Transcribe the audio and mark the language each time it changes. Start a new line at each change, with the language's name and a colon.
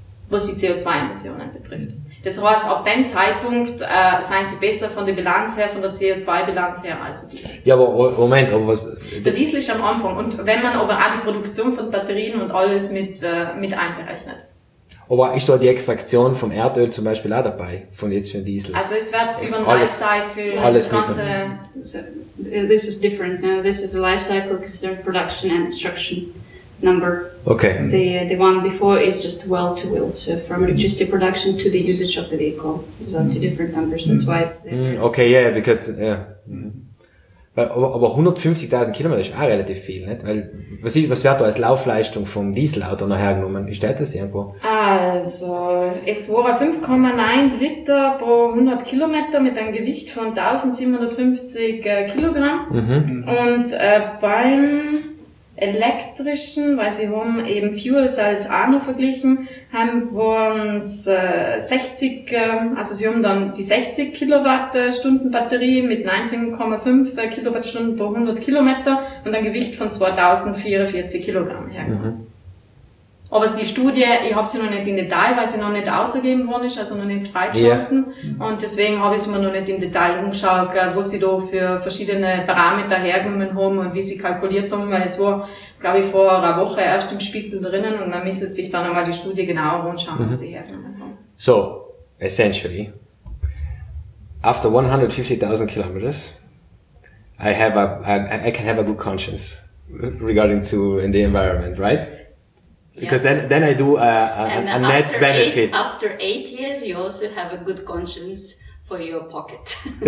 German: Was die CO2-Emissionen betrifft. Das heißt, ab dem Zeitpunkt, seien sie besser von der Bilanz her, von der CO2-Bilanz her als der Diesel. Ja, aber Moment, aber was? Der Diesel ist am Anfang. Und wenn man aber auch die Produktion von Batterien und alles mit einberechnet. Aber ist da die Extraktion vom Erdöl zum Beispiel auch dabei, von jetzt für Diesel? Also es wird über den Lifecycle, alles das Ganze...
English: This is different. No, this is a lifecycle considered production and extraction number. Okay. The one before is just well-to-wheel. So from electricity production to the usage of the vehicle. These are two different numbers. That's why... Okay, yeah, because... Yeah.
German: Aber 150.000 Kilometer ist auch relativ viel, nicht? Weil, was wird da als Laufleistung vom Dieselauto noch hergenommen? Ist das irgendwo? Also, es war 5,9 Liter pro 100 Kilometer mit einem Gewicht von 1750 Kilogramm. Mhm. Und beim elektrischen, weil sie haben eben Fuel Cells auch noch verglichen, haben wir uns 60, also sie haben dann die 60 Kilowattstunden Batterie mit 19,5 Kilowattstunden pro 100 Kilometer und ein Gewicht von 2044 Kilogramm hergekommen. Mhm. Aber die Studie, ich habe sie noch nicht im Detail, weil sie noch nicht ausgegeben worden ist, also noch nicht freigeschalten. Yeah. Und deswegen habe ich sie mir noch nicht im Detail umgeschaut, was sie da für verschiedene Parameter hergenommen haben und wie sie kalkuliert haben, weil es war, glaube ich, vor einer Woche erst im Spiegel drinnen und man müsste sich dann einmal die Studie genauer anschauen, was sie hergenommen haben.
English: So, essentially, after 150.000 kilometers, I can have a good conscience regarding to in the environment, right? Because then I do a net benefit. After 8 years, you also have a good conscience for your pocket.